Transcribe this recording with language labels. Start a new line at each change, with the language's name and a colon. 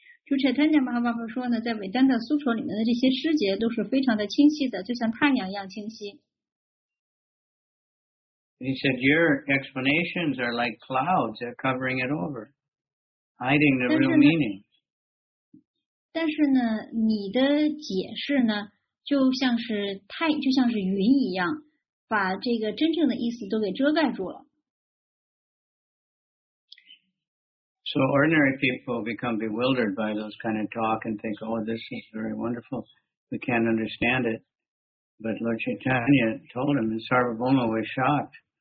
Chinese: Lord Chaitanya Mahaprabhu 说呢，在 Vedanta Sutra 里面的这些诗节都是非常的清晰的，就像太阳一样清晰。
English: He said, your explanations are like clouds, they're covering it over, hiding the real meaning.
Chinese: 但是呢，你的解释呢？就像是云一样，把这个真正的意思都给遮盖住了。
English: So ordinary people become bewildered by those kind of talk and think, oh, this is very wonderful. We can't understand it. But Lord Chaitanya told him, and Sarvabhauma was shocked.